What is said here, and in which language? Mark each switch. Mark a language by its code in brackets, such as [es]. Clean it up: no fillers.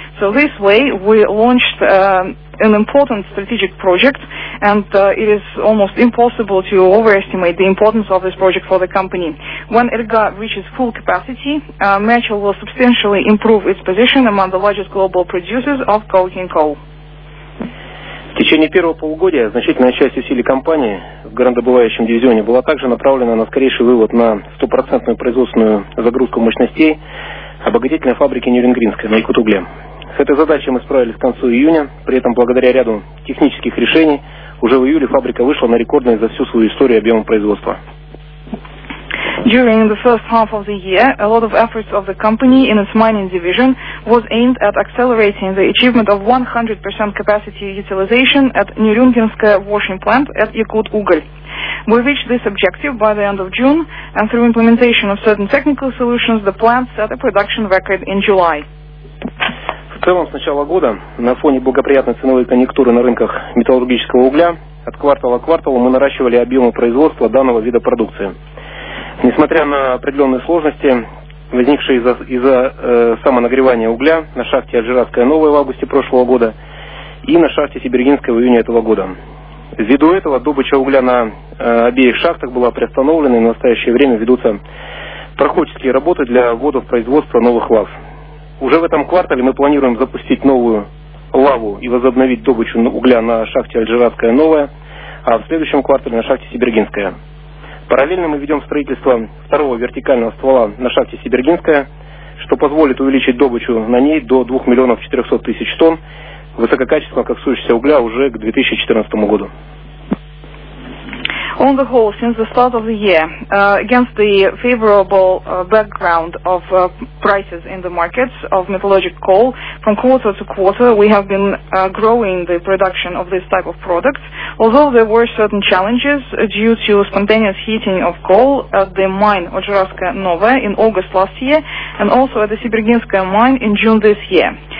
[en] So this way we launched an important strategic project, and it is almost impossible to overestimate the importance of this project for the company. When Ilga reaches full capacity, Mechel will substantially improve its position among the largest global producers of coking coal. [ru] В течение первого полугодия значительная часть усилий компании в горнодобывающем дивизионе была также направлена на скорейший вывод на 100% производственную загрузку мощностей обогатительной фабрики Нюрингринской на Якутугле. С этой задачей мы справились к концу июня, при этом благодаря ряду технических решений уже в июле фабрика вышла на рекордный за всю свою историю объем производства. [en] During the first half of the year, a lot of efforts of the company in its mining division was aimed at accelerating the achievement of 100% capacity utilization at Nurungenskaya washing plant at Yakut-Ugol. We reached this objective by the end of June, and through implementation of certain technical solutions, the plant set a production record in July. [ru] В целом, с начала года, на фоне благоприятной ценовой конъюнктуры на рынках металлургического угля, от квартала к кварталу мы наращивали объемы производства данного вида продукции. Несмотря на определенные сложности, возникшие из-за самонагревания угля на шахте Аджиратская Новая в августе прошлого года и на шахте Сибиргинская в июне этого года. Ввиду этого, добыча угля на обеих шахтах была приостановлена, и в настоящее время ведутся проходческие работы для ввода в производство новых лав. Уже в этом квартале мы планируем запустить новую лаву и возобновить добычу угля на шахте Аджиратская Новая, а в следующем квартале на шахте Сибиргинская. Параллельно мы ведем строительство второго вертикального ствола на шахте Сибиргинская, что позволит увеличить добычу на ней до 2 миллионов 400 тысяч тонн высококачественного коксующегося угля уже к 2014 году. [en] On the whole, since the start of the year, against the favorable background of prices in the markets of metallurgical coal, from quarter to quarter, we have been growing the production of this type of product. Although there were certain challenges due to spontaneous heating of coal at the mine Ожеровская Новая in August last year, and also at the Сибиргинская mine in June this year.